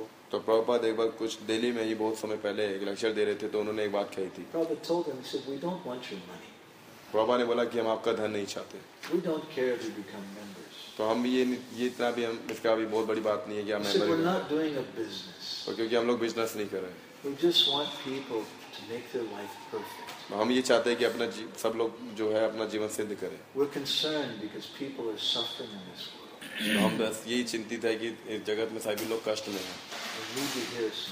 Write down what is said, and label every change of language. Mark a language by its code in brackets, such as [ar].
[hi] तो प्रभुपाद एक बार कुछ दिल्ली में ही बहुत समय पहले एक लेक्चर दे रहे थे, तो उन्होंने एक बात कही थी. प्रभुपाद ने बोला कि हम आपका धन नहीं चाहते. तो हम ये इतना भी हम इसका भी बहुत बड़ी बात नहीं है कि हम मेंबर हैं. तो क्योंकि हम लोग बिजनेस नहीं कर रहे हैं. [en] We just want people to make their life perfect. [hi] हम ये चाहते हैं कि अपना सब लोग जो है अपना जीवन सिद्ध करें. [en] We're concerned because people are suffering in this world. [hi] हम बस यही चिंतित है कि इस जगत में सभी लोग कष्ट में हैं.